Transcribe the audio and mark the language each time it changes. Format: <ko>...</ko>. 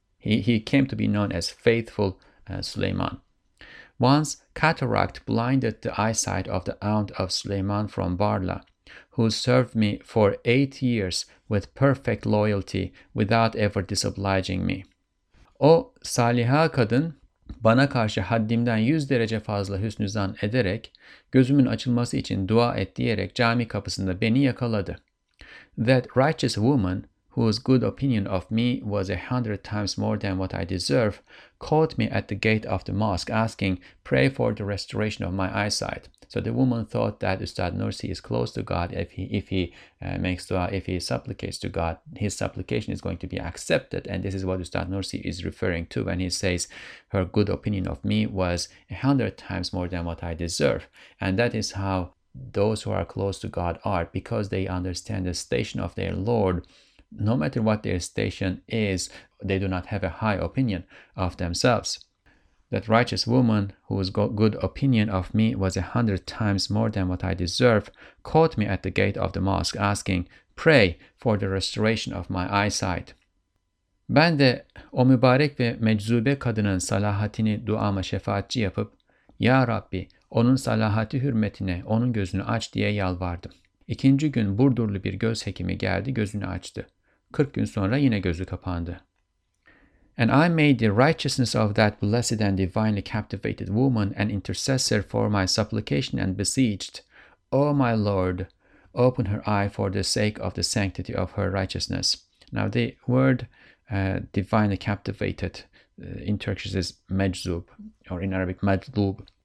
<en>He came to be known as Faithful Süleyman. Once cataract blinded the eyesight of the aunt of Süleyman from Barla, who served me for 8 years with perfect loyalty without ever disobliging me.</en> <tr>O saliha kadın bana karşı haddimden 100 derece fazla hüsnü zan ederek gözümün açılması için dua et diyerek cami kapısında beni yakaladı.</tr> <en>That righteous woman, whose good opinion of me was 100 times more than what I deserve, caught me at the gate of the mosque asking, pray for the restoration of my eyesight. So the woman thought that Üstad Nursi is close to God. If he supplicates to God, his supplication is going to be accepted. And this is what Üstad Nursi is referring to when he says, her good opinion of me was 100 times more than what I deserve. And that is how those who are close to God are, because they understand the station of their Lord. No matter what their station is, they do not have a high opinion of themselves. That righteous woman, whose good opinion of me was 100 times more than what I deserve, caught me at the gate of the mosque asking, pray for the restoration of my eyesight.</en> <tr>Ben de o mübarek ve meczube kadının salahatini duama şefaatçi yapıp, Ya Rabbi, onun salahati hürmetine onun gözünü aç diye yalvardım. İkinci gün Burdurlu bir göz hekimi geldi, gözünü açtı. 40 gün sonra yine gözü kapandı.</tr> <en>And I made the righteousness of that blessed and divinely captivated woman an intercessor for my supplication and beseeched, O my Lord, open her eye for the sake of the sanctity of her righteousness. Now the word divinely captivated in Turkish is meczub, or in Arabic meczub.</en>